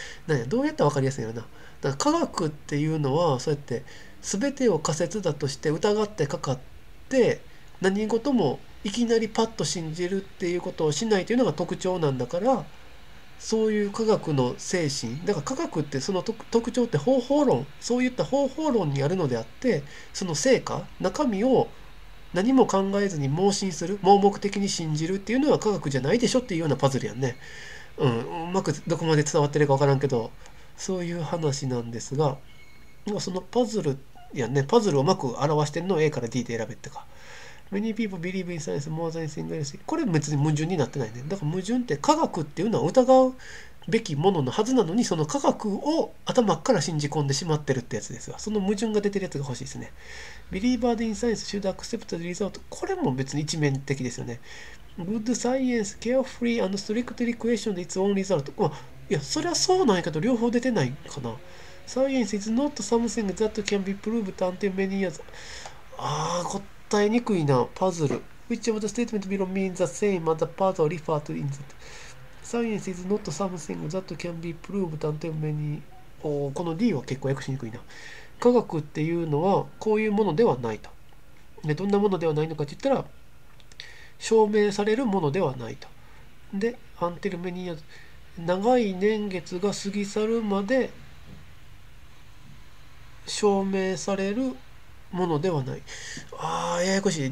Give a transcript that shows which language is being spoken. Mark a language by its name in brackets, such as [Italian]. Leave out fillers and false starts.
[Japanese] なんや、どうやったら分かりやすいのかな。だから科学っていうのは、そうやって全てを仮説だとして疑ってかかって、何事もいきなりパッと信じるっていうことをしないというのが特徴なんだから、そういう科学の精神だから、科学ってその特徴って方法論、そういった方法論にあるのであって、その成果、中身を何も考えずに盲信する、盲目的に信じるっていうのは科学じゃないでしょっていうようなパズルやんね。うまくどこまで伝わってるか分からんけど、そういう話なんですが、そのパズルやんね、パズルをうまく表してんのを A から D で選べってか。 [English] Many people believe in science more than single science。 [Japanese] これ別に矛盾になってないね。だから矛盾って、科学っていうのは疑うべきもののはずなのに、その科学を頭から信じ込んでしまってるってやつですわ。その矛盾が出てるやつが欲しいですね。 [English] Believer in science should accept the result。 [Japanese] これも別に一面的ですよね。 [English] Good science carefully and strictly questions its own result。 [Japanese] いや、そりゃそうなんやけど、両方出てないかな。 [English] Science is not something that can be proved until many years。 [Japanese] ああ、答えにくいな、パズル。 [English] Which of the statement below means the same as the part referred to in the Science is not something that can be proved until many。 [Japanese] おお、この D は結構訳しにくいな。科学っていうのはこういうものではないと。で、どんなものではないのかって言ったら、証明されるものではないと。 [English] で、until many years。 [Japanese] 長い年月が過ぎ去るまで証明されるものではない。ああ、ややこしい。